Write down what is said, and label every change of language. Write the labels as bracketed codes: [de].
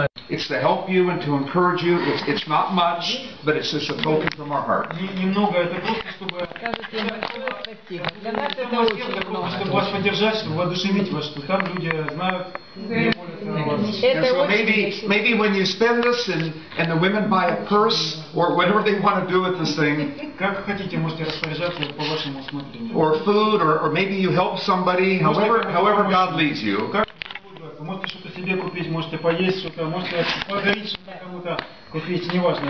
[en] It's to help you and to encourage you. It's not much, but it's just a token from our heart. [ru] Немного это просто, чтобы. Для нас это очень много. Чтобы вас поддержать, чтобы воодушевить вас, что там люди знают. [en] And so maybe when you spend this and the women buy a purse or whatever they want to do with this thing, [ru] как хотите, можете распоряжаться по вашему усмотрению. [en] Or food, or maybe you help somebody. However God leads you. [ru] Можете что-то себе купить, можете поесть что-то, можете подарить что-то кому-то, купить, неважно.